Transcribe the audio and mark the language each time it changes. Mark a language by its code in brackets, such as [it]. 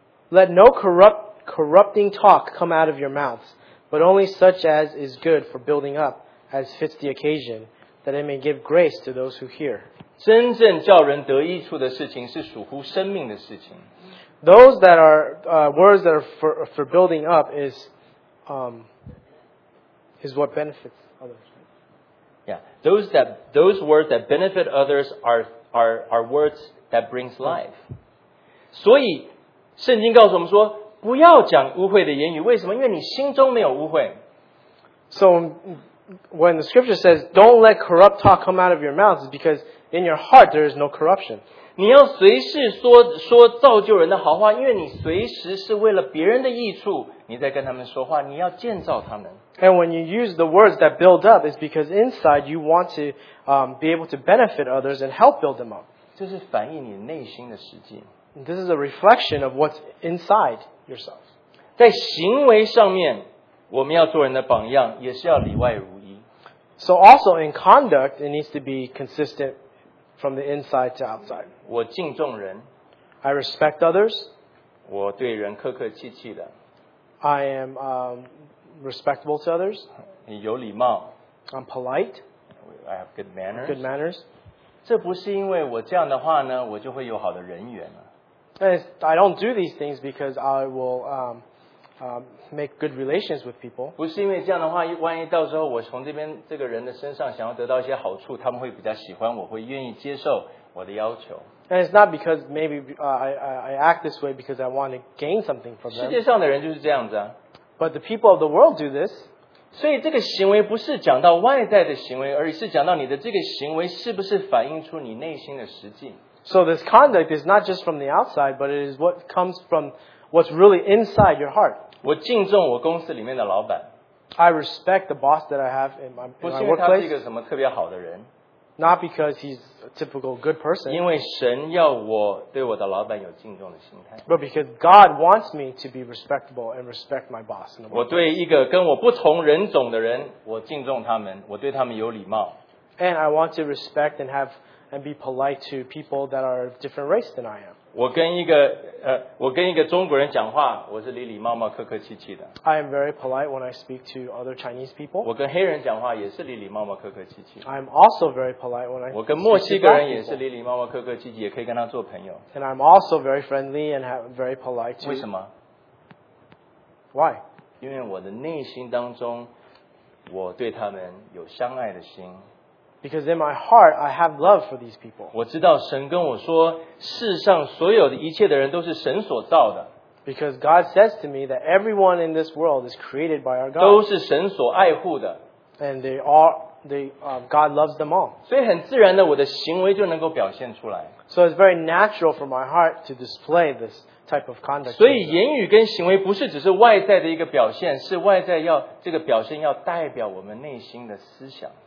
[en] Let no corrupting talk come out of your mouths, but only such as is good for building up, as fits the occasion, that it may give grace to those who hear. [zh] 真正叫人得益处的事情是属乎生命的事情。 [en] Those that are words that are for building up is what benefits others. Yeah, those words that benefit others are words that brings life. [zh] 所以圣经告诉我们说，不要讲污秽的言语。为什么？因为你心中没有污秽。 [en] So when the scripture says, "Don't let corrupt talk come out of your mouth," it's because in your heart there is no corruption. [zh] 你要随时说造就人的好话，因为你随时是为了别人的益处。你在跟他们说话，你要建造他们。 [en] And when you use the words that build up, it's because inside you want to be able to benefit others and help build them up. [zh] 这是反映你内心的实际。 [en] This is a reflection of what's inside yourself. [zh] 在行为上面，我们要做人的榜样，也是要里外如一。 [en] So also in conduct, it needs to be consistent from the inside to outside. [zh] 我敬重人。 [en] I respect others. [zh] 我对人客客气气的。 [en] I am respectable to others. [zh] 你有礼貌。 [en] I'm polite. I have good manners. Good manners. [zh] 这不是因为我这样的话呢，我就会有好的人缘了。 [en] I don't do these things because I will make good relations with people. [zh] 不是因为这样的话，万一到时候我从这边这个人的身上想要得到一些好处，他们会比较喜欢我，会愿意接受我的要求。 [en] And it's not because maybe I act this way because I want to gain something from them. [zh] 世界上的人就是这样子啊。 [en] But the people of the world do this. [zh] 所以这个行为不是讲到外在的行为，而是讲到你的这个行为是不是反映出你内心的实际。 [en] So this conduct is not just from the outside, but it is what comes from what's really inside your heart. [zh] 我敬重我公司里面的老板。 [en] I respect the boss that I have in my workplace. [zh] 不是因为他是一个什么特别好的人。 [en] Not because he's a typical good person. [zh] 因为神要我对我的老板有敬重的心态。 [en] But because God wants me to be respectable and respect my boss. [zh] 我对一个跟我不同人种的人，我敬重他们，我对他们有礼貌。 [en] And I want to respect and have and be polite to people that are of different race than I am. [zh] 我跟一个中国人讲话，我是礼礼貌貌、客客气气的。 [en] I am very polite when I speak to other Chinese people. [zh] 我跟黑人讲话也是礼礼貌貌、客客气气。 [en] I am also very polite when I. [zh] 我跟墨西哥人也是礼礼貌貌、客客气气，也可以跟他做朋友。 [en] And I'm also very friendly and very polite. [zh] 为什么 [en] ？Why？ [zh] 因为我的内心当中，我对他们有相爱的心。 [en] Because in my heart, I have love for these people. [zh] 我知道神跟我说，世上所有的一切的人都是神所造的。 [en] Because God says to me that everyone in this world is created by our God. [zh] 都是神所爱护的。 [en] And they are, they, God loves them all. [zh] 所以很自然的，我的行为就能够表现出来。 [en] So it's very natural for my heart to display this type of conduct. [zh] 所以言语跟行为不是只是外在的一个表现，是外在要这个表现要代表我们内心的思想。